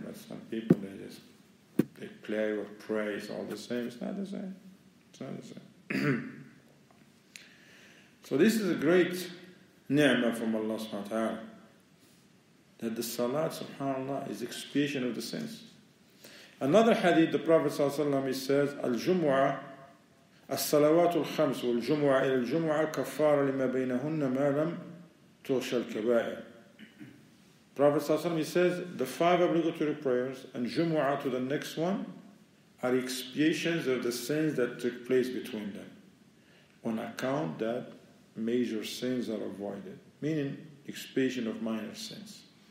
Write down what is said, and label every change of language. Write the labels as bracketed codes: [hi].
[en] But some people, they play or pray, it's all the same. It's not the same. It's not the same. So this is a great ni'mah from Allah subhanahu wa ta'ala. That the salat, subhanAllah, is expiation of the sins. Another hadith, the Prophet sallallahu alayhi wa sallam, he says, [ar] Al-Jumu'ah, الصلوات الخمس والجمعة إلى الجمعة كفارة لما بينهن ما لم تغش الكبائر. [en] Prophet صلى الله عليه وسلم says the 5 obligatory prayers and Jumu'ah to the next one are expiations of the sins that took place between them on account that major sins are avoided, meaning expiation of minor sins.